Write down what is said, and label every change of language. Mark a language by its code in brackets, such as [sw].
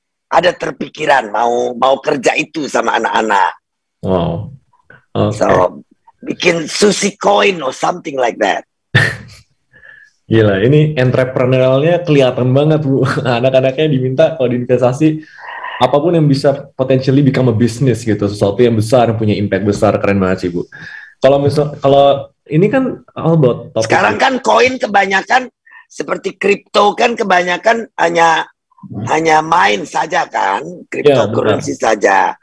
[id] Ada terpikiran mau kerja itu sama anak-anak. Wow. Okay. [en] So, bikin Susi coin or something like that. [id] Gila, ini entrepreneurialnya kelihatan banget, Bu. Anak-anaknya diminta kalau diinvestasi apapun yang bisa [en] potentially become a business [id] gitu, sesuatu yang besar, yang punya impact besar, keren banget sih, Bu. Kalau ini kan [en] all about [id] topic. Sekarang kan coin kebanyakan seperti crypto kan kebanyakan hanya main saja kan, cryptocurrency ya, saja.